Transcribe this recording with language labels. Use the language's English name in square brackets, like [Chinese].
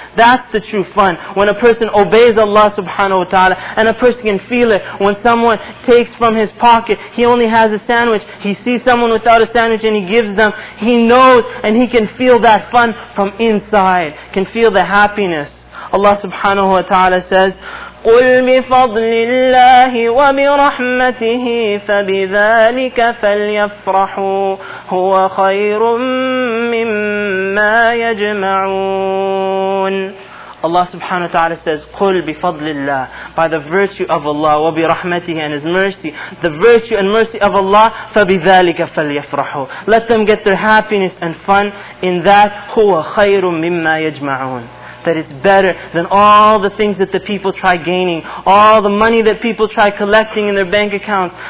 [English] That's the true fun, when a person obeys Allah subhanahu wa ta'ala, and a person can feel it when someone takes from his pocket, he only has a sandwich, he sees someone without a sandwich and he gives them, he knows and he can feel that fun from inside, can feel the happiness. [Arabic] Allah subhanahu wa ta'ala says, قُلْ بِفَضْلِ اللَّهِ وَبِرَحْمَتِهِ فَبِذَلِكَ فَلْيَفْرَحُوا هُوَ خَيْرٌ مِّمَّا يَجْمَعُونَ. [English] Allah subhanahu wa ta'ala says, [Arabic] قُلْ بِفَضْلِ اللَّهِ, [English] by the virtue of Allah, [Arabic] وَبِرَحْمَتِهِ, [English] and His mercy, the virtue and mercy of Allah, [Arabic] فَبِذَلِكَ فَلْيَفْرَحُوا, [English] let them get their happiness and fun in that, [Arabic] هُوَ خَيْرٌ مِّمَّا يَجْمَعُونَ, [English] that it's better than all the things that the people try gaining, all the money that people try collecting in their bank accounts.